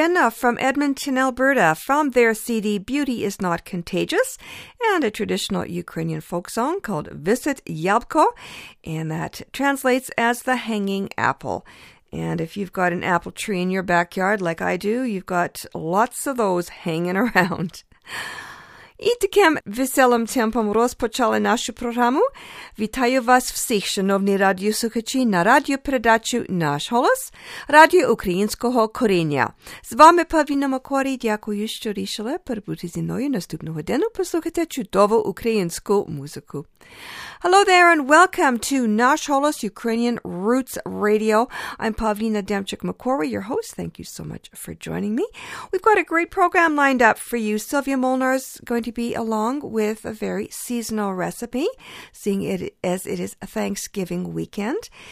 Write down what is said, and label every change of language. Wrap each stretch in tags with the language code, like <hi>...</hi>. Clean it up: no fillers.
<en>From Edmonton, Alberta, from their CD Beauty is Not Contagious, and a traditional Ukrainian folk song called Visit Yabko, and that translates as the hanging apple. And if you've got an apple tree in your backyard like I do, you've got lots of those hanging around.</en> <uk>І таким веселим темпом розпочали нашу програму. Вітаю вас всіх, шановні радіослухачі, на радіопередачу «Наш голос» Радіо Українського коріння. З вами Павіна Макорі. Дякую, що рішили перебути зі мною наступного дня послухати чудову українську музику.</uk> <en>Hello there and welcome to «Наш голос» Ukrainian Roots Radio. I'm Павіна Демчик-Макорі, your host. Thank you so much for joining me. We've got a great program lined up for you. Sylvia Molnar's going to be along with a very seasonal recipe, seeing it as it is a Thanksgiving weekend.</en>